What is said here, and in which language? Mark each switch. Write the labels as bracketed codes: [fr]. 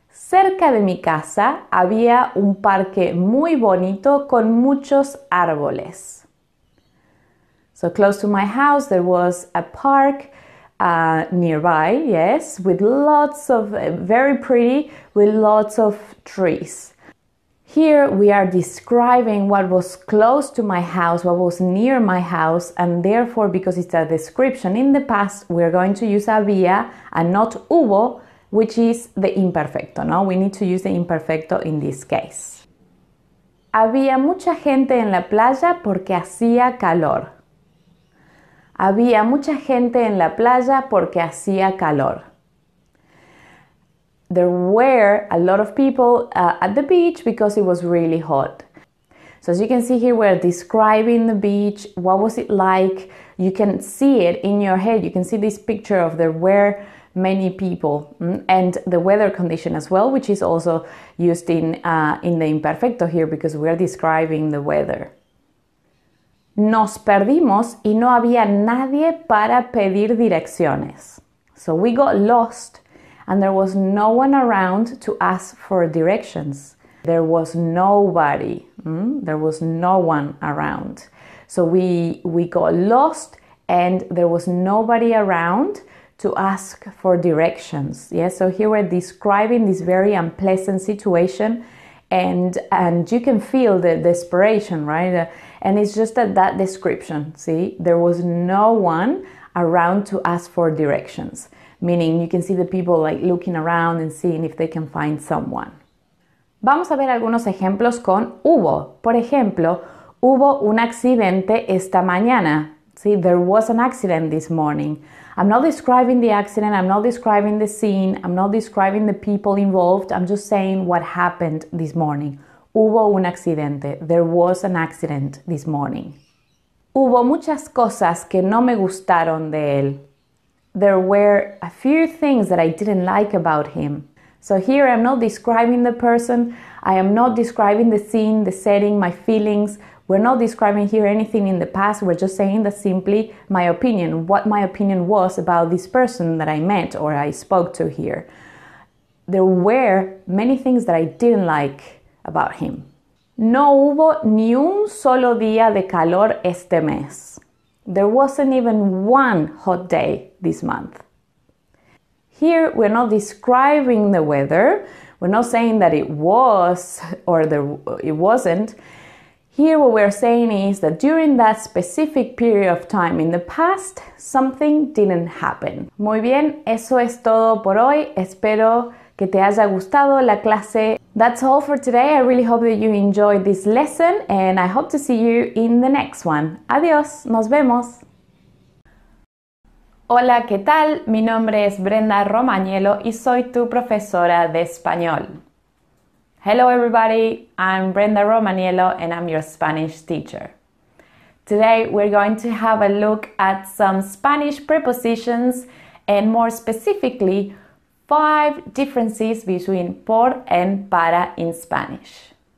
[es] Cerca de mi casa había un parque muy bonito con muchos árboles. [en] So close to my house, there was a park nearby, yes, with lots of, very pretty, with lots of trees. Here we are describing what was close to my house, what was near my house, and therefore, because it's a description in the past, we're going to use había and not hubo, which is the imperfecto, no? We need to use the imperfecto in this case. [es] Había mucha gente en la playa porque hacía calor. Había mucha gente en la playa porque hacía calor. [en] There were a lot of people at the beach because it was really hot. So as you can see here, we're describing the beach. What was it like? You can see it in your head. You can see this picture of there were many people and the weather condition as well, which is also used in the imperfecto here because we're describing the weather. [es] Nos perdimos y no había nadie para pedir direcciones. [en] So we got lost and there was no one around to ask for directions. There was nobody. There was no one around. So we got lost and there was nobody around to ask for directions. Yeah, so here we're describing this very unpleasant situation. And you can feel the desperation, right? And it's just that description, see? There was no one around to ask for directions. Meaning you can see the people like looking around and seeing if they can find someone. [es] Vamos a ver algunos ejemplos con hubo. Por ejemplo, hubo un accidente esta mañana. [en] See, there was an accident this morning. I'm not describing the accident, I'm not describing the scene, I'm not describing the people involved, I'm just saying what happened this morning. [es] Hubo un accidente. [en] There was an accident this morning. [es] Hubo muchas cosas que no me gustaron de él. [en] There were a few things that I didn't like about him. So here I'm not describing the person, I am not describing the scene, the setting, my feelings. We're not describing here anything in the past, we're just saying that simply my opinion, what my opinion was about this person that I met or I spoke to here. There were many things that I didn't like about him. [es] No hubo ni un solo día de calor este mes. [en] There wasn't even one hot day this month. Here, we're not describing the weather. We're not saying that it was or it wasn't. Here, what we're saying is that during that specific period of time in the past, something didn't happen. [es] Muy bien, eso es todo por hoy. Espero que te haya gustado la clase. [en] That's all for today. I really hope that you enjoyed this lesson and I hope to see you in the next one. [es] Adiós, nos vemos. Hola, ¿qué tal? Mi nombre es Brenda Romagnello y soy tu profesora de español. [en] Hello everybody, I'm Brenda Romagnello and I'm your Spanish teacher. Today we're going to have a look at some Spanish prepositions and more specifically, 5 differences between por and para in Spanish.